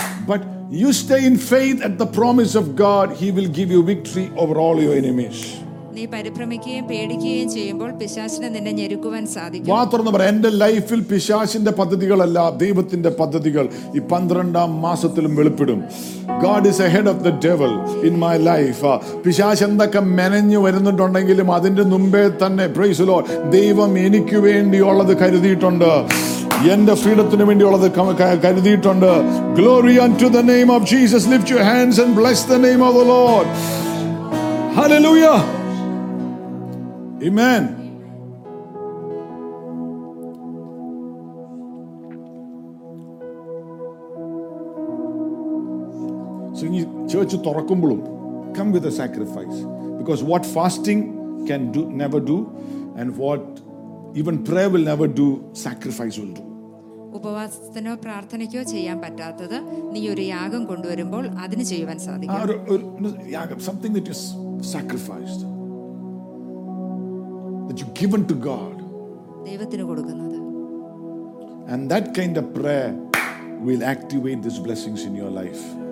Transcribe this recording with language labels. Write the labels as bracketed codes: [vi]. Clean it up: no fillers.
[en] But you stay in faith at the promise of God, he will give you victory over all your enemies. [ml] നീ പരിഭ്രമിക്കുകയും പേടിക്കുകയും ചെയ്യുമ്പോൾ പിശാചിനെ നിന്നെ ഞെരുക്കുവാൻ സാധിക്കും. മാത്രമെന്ന് പറയാം, എന്റെ ലൈഫിൽ പിശാചിന്റെ പദ്ധതികളല്ല ദൈവത്തിന്റെ പദ്ധതികൾ ഈ 12-ാം മാസത്തിലും വെളിപ്പെടും. [en] God is ahead of the devil in my life. [ml] പിശാച് എന്തൊക്കെ മെനഞ്ഞു വരുന്നുണ്ടെങ്കിലും അതിന്റെ മുമ്പേ തന്നെ, [en] praise the Lord, [ml] ദൈവം എനിക്ക് വേണ്ടിയുള്ളത് കരുതിയിട്ടുണ്ട്, എന്റെ ഫ്രീഡത്തിന് വേണ്ടിയുള്ളത് കരുതിയിട്ടുണ്ട്. [en] Glory unto the name of Jesus. Lift your hands and bless the name of the Lord. Hallelujah. Amen. So in church [ml] torakkumbulum, [en] come with a sacrifice, because what fasting can do never do, and what even prayer will never do, sacrifice will do. [ml] ഉപവാസത്തിനോ പ്രാർത്ഥനയ്ക്കോ ചെയ്യാൻ പറ്റാത്തത് നീ ഒരു യാഗം കൊണ്ടുവരുമ്പോൾ അതിന് ചെയ്യുവാൻ സാധിക്കും. [en] Yagam, something that is sacrificed, that you given to God, [ml] devathinu kodukkunathu, [en] and that kind of prayer will activate these blessings in your life.